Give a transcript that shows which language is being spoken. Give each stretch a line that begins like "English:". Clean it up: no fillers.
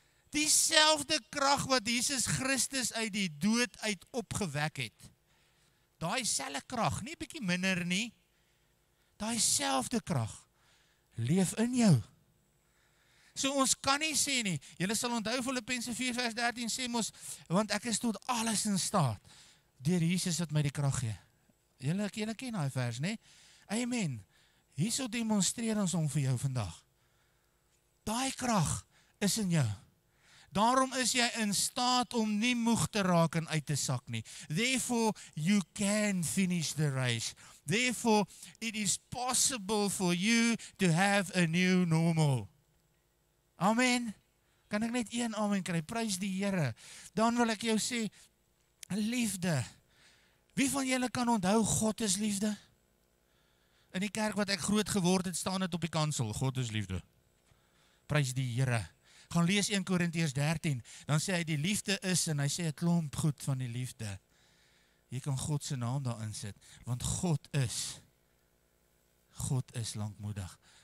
Afrikaans: Dieselfde krag wat Jesus Christus uit die dood uit opgewek het. Daai selfde krag, nie 'n bietjie minder nie. Daai selfde krag leef in jou. So ons kan nie sê nie. Julle sal onthou Filippense 4 vers 13 sê mos want ek is tot alles in staat deur Jesus wat my die krag gee. Julle ken daai vers, nê? Amen. Hierso demonstreer ons om vir jou vandag. Daai krag is in jou. Daarom is jy in staat om nie moeg te raak en uit te sak nie.
English: Therefore, you can finish the race. Therefore, it is possible for you to have a new normal. Amen.
Afrikaans: Kan ek net een amen kry? Prys die Here. Dan wil ek jou sê, liefde. Wie van julle kan onthou God is liefde? In die kerk wat ek groot geword het, staan het op die kansel. God is liefde. Prys die Here. Gaan lees 1 Korintiërs 13. Dan sê hy die liefde is en hy sê het klomp goed van die liefde. Jy kan God se naam daarin sit. Want God is langmoedig.